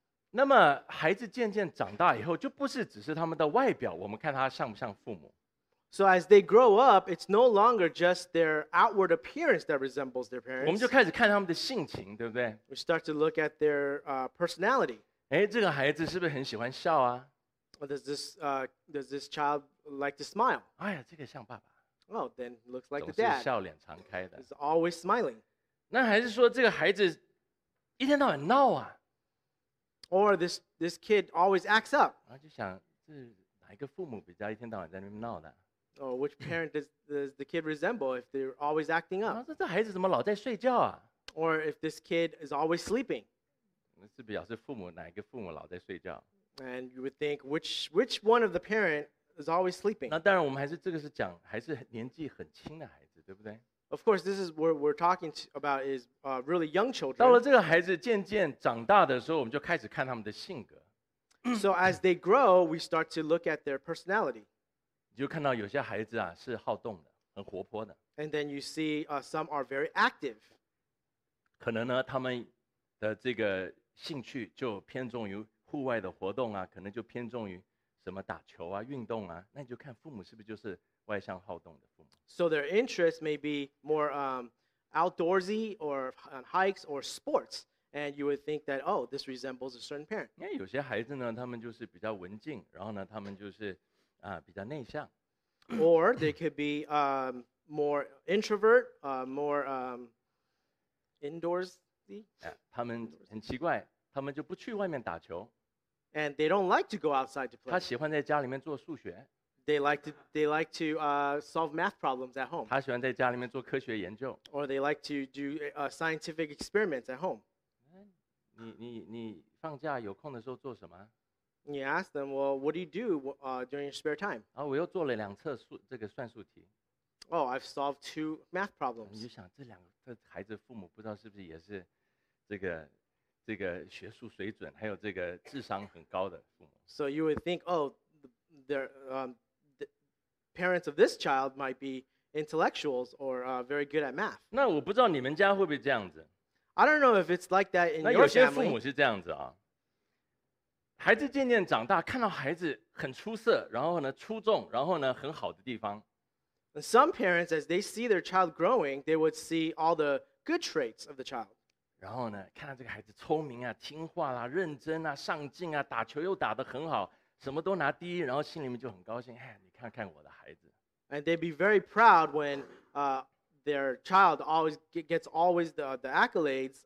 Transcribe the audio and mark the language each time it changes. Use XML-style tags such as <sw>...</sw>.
<zh>那么孩子渐渐长大以后就不是只是他们的外表我们看他像不像父母。</zh> <en>So as they grow up, it's no longer just their outward appearance that resembles their parents.</en> <zh>我们就开始看他们的性情对不对</zh> <en>We start to look at their personality.</en> <zh>哎这个孩子是不是很喜欢笑啊</zh> <en>Does this child like to smile?</en> <zh>哎呀这个像爸爸。</zh> <en>Oh, then looks like the dad.</en> <zh>总是笑脸常开的。</zh> <en>He's always smiling.</en> <zh>那还是说这个孩子一天到晚闹啊</zh> <en>？Or this kid always acts up.</en> <zh>然后就想，这哪一个父母比较一天到晚在那边闹的</zh> <en>？Or which parent does the kid resemble if they're always acting up？</en> <zh>然后说这孩子怎么老在睡觉啊</zh> <en>？Or if this kid is always sleeping？</en> <zh>那是表示父母哪一个父母老在睡觉</zh> <en>？And you would think which one of the parent？ Is always sleeping.</en> <zh>那当然，我们还是这个是讲，还是年纪很轻的孩子，对不对</zh> <en>？Of course, this is what we're talking about is really young children.</en> <zh>到了这个孩子渐渐长大的时候，我们就开始看他们的性格。</zh> <en>So as they grow, we start to look at their personality.</en> <zh>你就看到有些孩子啊是好动的，很活泼的。</zh> <en>And then you see some are very active.</en> <zh>可能呢，他们的这个兴趣就偏重于户外的活动啊，可能就偏重于。什么打球啊，运动啊，那你就看父母是不是就是外向好动的父母。</zh> <en>So their interest may be more outdoorsy or hikes or sports, and you would think that oh, this resembles a certain parent.</en> <zh>因为有些孩子呢，他们就是比较文静，然后呢，他们就是比较内向。</zh> <en>Or they could be more introvert, more indoorsy.</en> <zh>他们很奇怪，他们就不去外面打球。</zh> <en>And they don't like to go outside to play.</en> <zh>他喜欢在家里面做数学。</zh> <en>They like to solve math problems at home.</en> <zh>他喜欢在家里面做科学研究。</zh> <en>Or they like to do scientific experiments at home.</en> <zh>你放假有空的时候做什么</zh> <en>？You ask them, well, what do you do during your spare time?</en> <zh>啊，我又做了两册数这个算术题。</zh> <en>Oh, I've solved two math problems.</en> <zh>你就想这两个孩子父母不知道是不是也是这个。这个学术水准，还有这个智商很高的父母。</zh> <en>So you would think, oh, the parents of this child might be intellectuals or very good at math.</en> <zh>那我不知道你们家会不会这样子。</zh> <en>I don't know if it's like that in your family.</en> <zh>那有些父母是这样子啊。孩子渐渐长大，看到孩子很出色，然后呢出众，然后呢很好的地方。</zh> <en>And some parents, as they see their child growing, they would see all the good traits of the child.</en> <zh>然后呢，看到这个孩子聪明啊、听话啦、啊、认真啊、上进啊、打球又打得很好，什么都拿第一，然后心里面就很高兴。哎，你看看我的孩子。</zh> <en>And they'd be very proud when their child always gets the accolades.</en>